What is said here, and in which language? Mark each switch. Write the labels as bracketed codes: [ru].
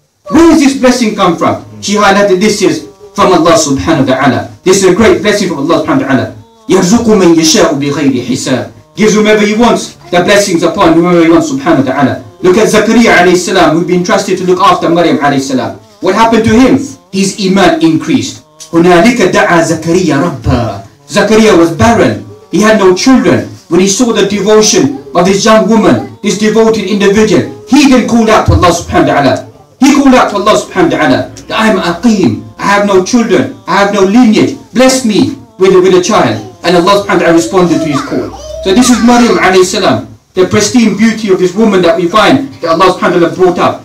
[en] Where is this blessing come from? She highlighted, this is from Allah subhanahu wa ta'ala. This is a great blessing from Allah subhanahu wa ta'ala. [ar] يَرْزُقُ مَنْ يَشَاءُ بِغَيْرِ حِسَابٍ, [en] gives whomever he wants the blessings upon whomever he wants, subhanahu wa ta'ala. Look at Zakariya alayhi salam, who'd been trusted to look after Maryam alayhi salam. What happened to him? His iman increased. [ar] هُنَالِكَ دَعَى زَكَرِيَّ رَبَّهُ, [en] Zakariya was barren. He had no children. When he saw the devotion of this young woman, this devoted individual, he then called out to Allah subhanahu wa ta'ala. He called out to Allah subhanahu wa ta'ala that I am aqeem, I have no children, I have no lineage, bless me with a child. And Allah subhanahu wa ta'ala responded to his call. So this is Maryam alayhi salam, the pristine beauty of this woman that we find that Allah subhanahu wa ta'ala brought up.